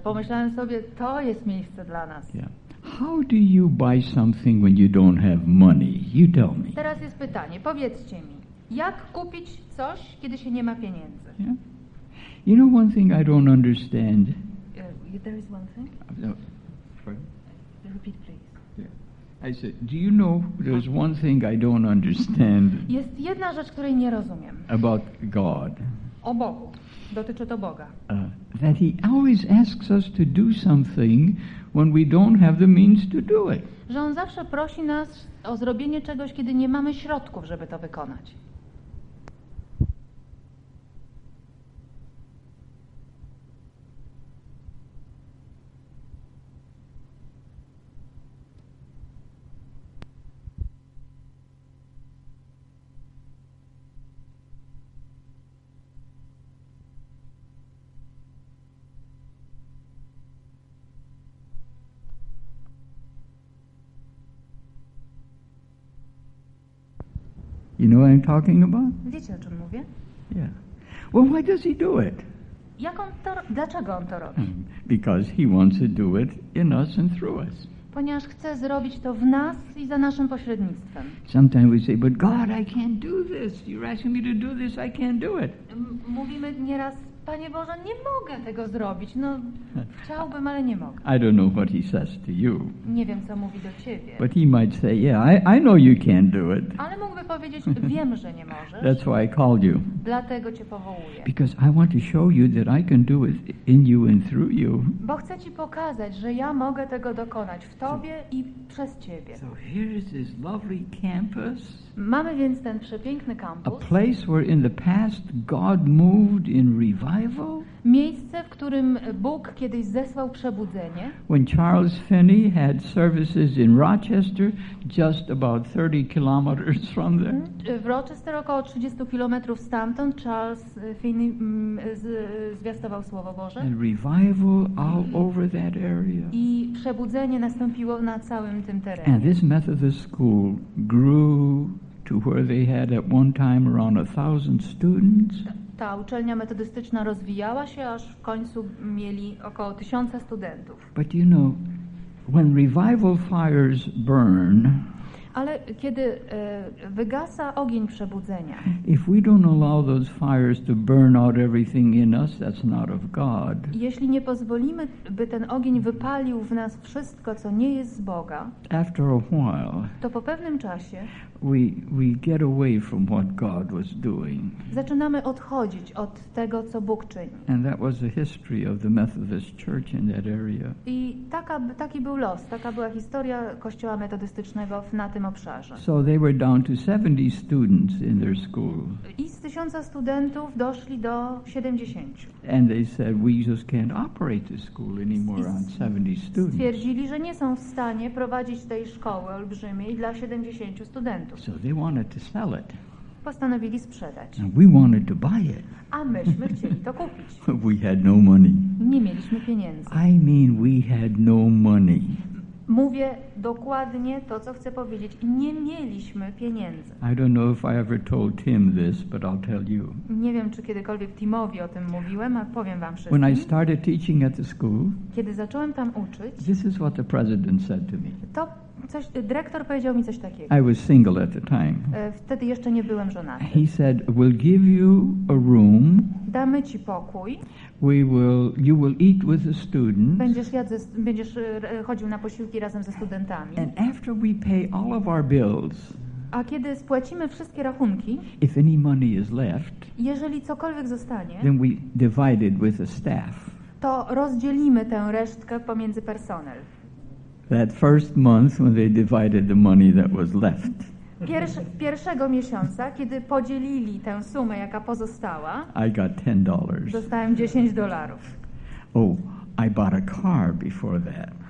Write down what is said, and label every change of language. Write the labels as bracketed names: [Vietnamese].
[Polish] Pomyślałem sobie, to jest miejsce dla nas. [English] How do you buy something when you don't have money? You tell me. [Polish] Teraz jest pytanie. Powiedzcie mi, jak kupić coś, kiedy się nie ma pieniędzy? [English] You know one thing I don't understand. There is one thing. Repeat, please. I said, do you know there's one thing I don't understand? [Polish] Jest jedna rzecz, której nie rozumiem. [English] About God. [Polish] O Bogu. Dotyczy to Boga. [English] That he always asks us to do something when we don't have the means to do it. [Polish] Że on zawsze prosi nas o zrobienie czegoś, kiedy nie mamy środków, żeby to wykonać. [English] You know what I'm talking about? [Polish] Wiecie, o czym mówię? [English] Yeah. Well, why does he do it? [Polish] Jak on to, dlaczego on to robi? [English] Because he wants to do it in us and through us. [Polish] Ponieważ chce zrobić to w nas i za naszym pośrednictwem. [English] Sometimes we say, but God, I can't do this. You're asking me to do this, I can't do it. [Polish] Mówimy nieraz, Panie Boże, nie mogę tego zrobić. No, chciałbym, ale nie mogę. [English] I don't know what he says to you. [Polish] Nie wiem, co mówi do ciebie. [English] But he might say, yeah, I know you can't do it. [Polish] Ale mógłby powiedzieć, wiem, że nie możesz. [English] That's why I called you. [Polish] Dlatego cię powołuję. [English] Because I want to show you that I can do it in you and through you. [Polish] Bo chcę ci pokazać, że ja mogę tego dokonać w tobie i przez ciebie. [English] So here is this lovely campus. [Polish] Mamy więc ten przepiękny kampus. [English] A place where in the past God moved in revival. [Polish] Miejsce, w którym Bóg kiedyś zesłał przebudzenie. [English] When Charles Finney had services in Rochester, just about 30 kilometers from there. [Polish] W Rochester, około 30 kilometrów stamtąd, Charles Finney zwiastował Słowo Boże. [English] And revival all over that area. [Polish] I przebudzenie nastąpiło na całym tym terenie. [English] And this Methodist school grew to where they had at one time around 1,000 students. [Polish] Ta uczelnia metodystyczna rozwijała się, aż w końcu mieli około 1,000 studentów. [English] But you know, when revival fires burn, [Polish] ale kiedy wygasa ogień przebudzenia, [English] if we don't allow those fires to burn out everything in us, that's not of God. [Polish] Jeśli nie pozwolimy, by ten ogień wypalił w nas wszystko, co nie jest z Boga, [English] after a while, [Polish] to po pewnym czasie [English] we get away from what God was doing. [Polish] Zaczynamy odchodzić od tego, co Bóg czyni. [English] And that was the history of the Methodist Church in that area. [Polish] I taki był los, taka była historia kościoła metodystycznego na tym obszarze. [English] So they were down to 70 students in their school. [Polish] I z 1,000 studentów doszli do 70. [English] And they said, we just can't operate the school anymore on 70 students. [Polish] Stwierdzili, że nie są w stanie prowadzić tej szkoły olbrzymiej dla 70 studentów. [English] So they wanted to sell it. [Polish] Postanowili sprzedać. [English] And we wanted to buy it. [Polish] A myśmy chcieli to kupić. [English] We had no money. [Polish] Nie mieliśmy pieniędzy. [English] I mean, we had no money. [Polish] Mówię dokładnie to, co chcę powiedzieć. Nie mieliśmy pieniędzy. [English] I don't know if I ever told Tim this, but I'll tell you. [Polish] Nie wiem, czy kiedykolwiek Timowi o tym mówiłem, a powiem wam wszystkim. [English] When I started teaching at the school, [Polish] kiedy zacząłem tam uczyć, [English] this is what the president said to me. [Polish] To coś, dyrektor powiedział mi coś takiego. [English] I was single at the time. [Polish] Wtedy jeszcze nie byłem żonaty. [English] He said, we'll give you a room. [Polish] Damy ci pokój. [English] You will eat with the students. [Polish] Będziesz chodził na posiłki razem ze studentami. [English] And after we pay all of our bills, [Polish] a kiedy spłacimy wszystkie rachunki, [English] if any money is left, [Polish] jeżeli cokolwiek zostanie, [English] then we divide it with the staff. [Polish] To rozdzielimy tę resztkę pomiędzy personel. [English] That first month when they divided the money that was left. [Polish] Pierwszego miesiąca, kiedy podzielili tę sumę, jaka pozostała, [English] I got $10. [Polish] Dostałem $10. [English] Oh, I bought a car before that.